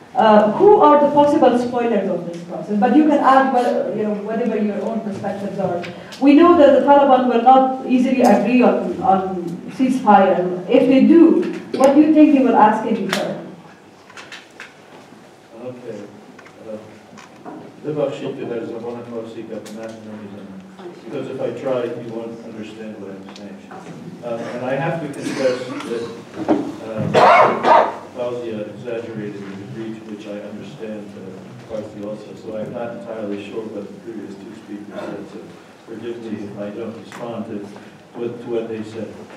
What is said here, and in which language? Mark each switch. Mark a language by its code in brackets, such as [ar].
[en] Who are the possible spoilers of this process? But you can add whatever your own perspectives are. We know that the Taliban will not easily agree on ceasefire. If they do, what do you think they will ask in return? [fa] ببخشید که در زبان فارسی گفتنم نمیزنم. [en] Because if I try, you won't understand what I'm saying. And I have to confess that Fauzia exaggerated the degree to which I understand Farsi also. So I'm not entirely sure what the previous two speakers said. So forgive me if I don't respond to what they said.